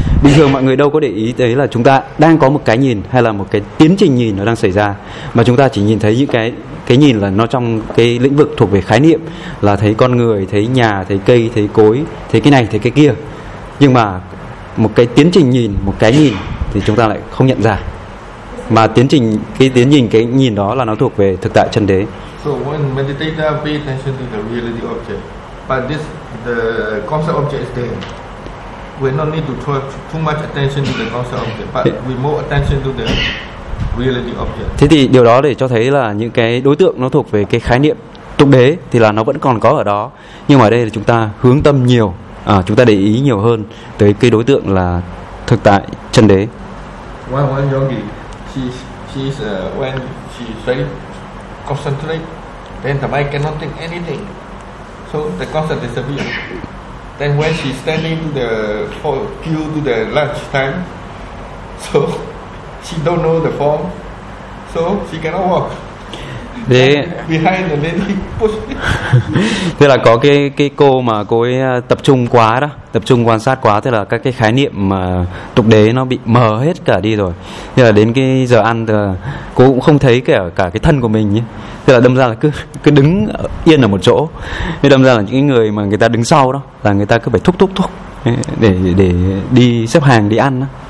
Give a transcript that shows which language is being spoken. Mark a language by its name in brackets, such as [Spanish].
[Vietnamese] Bình thường mọi người đâu có để ý thấy là chúng ta đang có một cái nhìn hay là một cái tiến trình nhìn nó đang xảy ra, mà chúng ta chỉ nhìn thấy những cái nhìn là nó trong cái lĩnh vực thuộc về khái niệm, là thấy con người, thấy nhà, thấy cây, thấy cối, thấy cái này, thấy cái kia. Nhưng mà một cái tiến trình nhìn, một cái nhìn thì chúng ta lại không nhận ra. Mà tiến trình cái tiến nhìn cái nhìn đó là nó thuộc về thực tại chân đế. [English] So when meditator pay attention to the reality object, but this the concept object is there. We not need to throw too much attention to the concept object, but we more attention to the reality object. [Vietnamese] Thế thì điều đó để cho thấy là những cái đối tượng nó thuộc về cái khái niệm tục đế thì là nó vẫn còn có ở đó, nhưng mà ở đây là chúng ta hướng tâm nhiều, chúng ta để ý nhiều hơn tới cái đối tượng là thực tại chân đế. [English] One yogi. She's when she's very concentrated, then the mind cannot think anything, so the concept disappears. Then when she's standing the queue to the lunch time, so she don't know the form, so she cannot walk. [Vietnamese] Thế [English] behind the lady push. [Vietnamese] Thế là có cái cô mà cô ấy tập trung quá đó, tập trung quan sát quá, thế là các cái khái niệm mà tục đế nó bị mờ hết cả đi rồi. Thế là đến cái giờ ăn thì cô cũng không thấy cả cái thân của mình nhé. Thế là đâm ra là cứ đứng yên ở một chỗ. Thế đâm ra là những người mà người ta đứng sau đó là người ta cứ phải thúc để đi xếp hàng đi ăn đó.